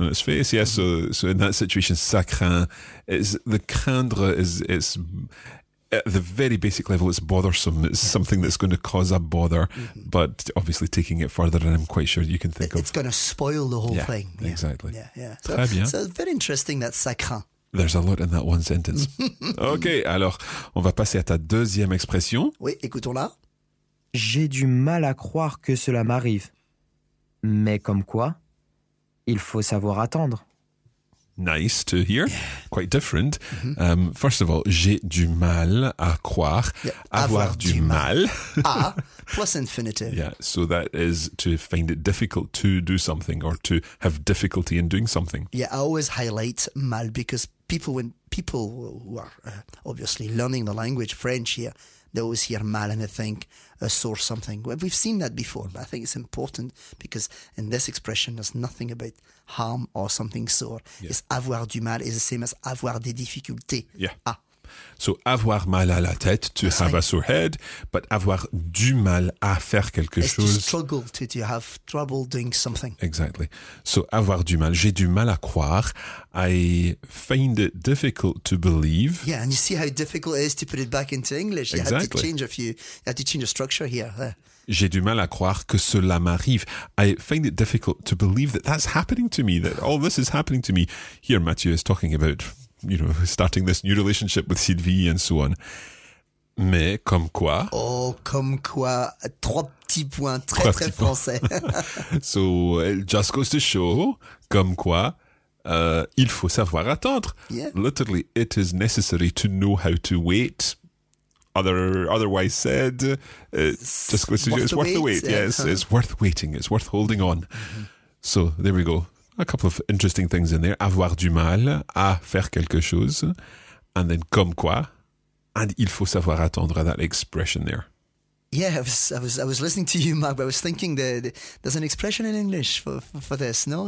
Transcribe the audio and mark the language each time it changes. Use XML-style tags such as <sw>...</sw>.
<en>On its face, yes, so in that situation, ça craint, the craindre is, it's at the very basic level, it's bothersome, it's something that's going to cause a bother, but obviously taking it further, and I'm quite sure you can think it's going to spoil the whole thing. Yeah, exactly. Yeah. So very interesting that ça craint. There's a lot in that one sentence.</en> <fr>OK, alors, on va passer à ta deuxième expression. Oui, écoutons-la. J'ai du mal à croire que cela m'arrive. Mais comme quoi, il faut savoir attendre.</fr> <en>Nice to hear. Quite different. Mm-hmm. First of all,</en> <fr>j'ai du mal à croire. Yeah. Avoir du mal.</fr> <en>plus infinitive. Yeah, so that is to find it difficult to do something or to have difficulty in doing something. Yeah, I always highlight mal because... People who are obviously learning the language, French here, they always hear mal and they think a sore something. We've seen that before, but I think it's important because in this expression, there's nothing about harm or something sore. Yeah. It's avoir du mal is the same as avoir des difficultés. Yeah. Ah. So</en> <fr>avoir mal à la tête,</fr> <en>to That's have right. a sore head, but</en> <fr>avoir du mal à faire quelque</fr> <en>It's</en> <fr>chose.</fr> <en>To struggle, to have trouble doing something. Exactly.</en> <fr>So avoir du mal, j'ai du mal à croire.</fr> <en>I find it difficult to believe. Yeah, and you see how difficult it is to put it back into English. Exactly. You had to change the structure here.</en> <fr>J'ai du mal à croire que cela m'arrive.</fr> <en>I find it difficult to believe that that's happening to me, that all this is happening to me. Here, Mathieu is talking about... You know, starting this new relationship with Sylvie and so on.</en> <fr>Mais comme quoi? Oh, comme quoi? Trois petits points, très très français.</fr> <en>So it just goes to show,</en> <fr>comme quoi, il faut savoir attendre.</fr> <en>Yeah. Literally, it is necessary to know how to wait. Otherwise said, it's worth the wait. Yes, it's worth waiting. It's worth holding on. Mm-hmm. So there we go. A couple of interesting things in there.</en> <fr>Avoir du mal à faire quelque chose.</fr> <en>And then comme quoi. And</en> <fr>il faut savoir attendre,</fr> <en>that expression there. Yeah, I was listening to you, Mark, but I was thinking there's an expression in English for this, no?</en>